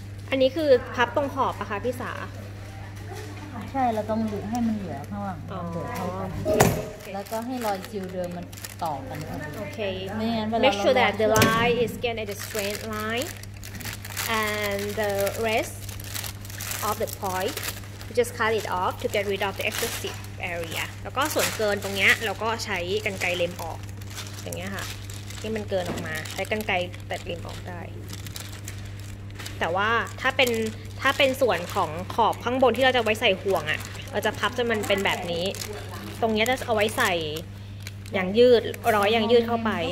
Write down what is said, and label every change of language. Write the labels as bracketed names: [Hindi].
[Thai] อันนี้คือพับตรงขอบอะคะพี่สา ใช่เราต้องดูให้มันเหลือข้างหลังเหลือข้างล่างแล้วก็ให้รอยซีลเดิมมัน [English] Okay. Make sure that the line is getting at a straight line, and the rest of the point, you just cut it off to get rid of the excessive area. [Thai] แล้วก็ส่วนเกินตรงเนี้ยเราก็ใช้กรรไกรเล็มออกอย่างเงี้ยค่ะที่มันเกินออกมาใช้กรรไกรตัดเล็มออกได้แต่ว่าถ้าเป็นส่วนของขอบข้างบนที่เราจะไว้ใส่ห่วงอ่ะเราจะพับจนมันเป็นแบบนี้ตรงเนี้ยจะเอาไว้ใส่อย่างยืดร้อยอย่างยืดเข้าไป